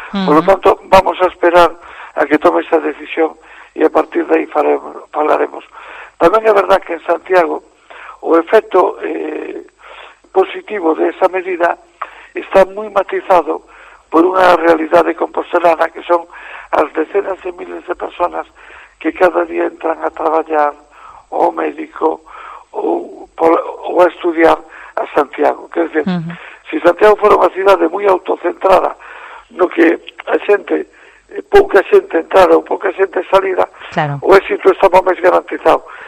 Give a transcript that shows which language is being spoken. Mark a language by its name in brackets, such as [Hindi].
[Spanish] Por lo tanto, vamos a esperar a que tome esa decisión e a partir de aí falaremos. [Galician] Tamén é verdad que en Santiago o efecto positivo de esa medida [Spanish] está muy matizado por una realidad de compostelana, que son las decenas de miles de personas que cada día entran a trabajar, o médico, o a estudiar a Santiago. [Galician] Que es decir, si Santiago fuera una ciudad muy autocentrada, no que a xente, pouca xente entrada ou pouca xente salida, o éxito estaba máis garantizado.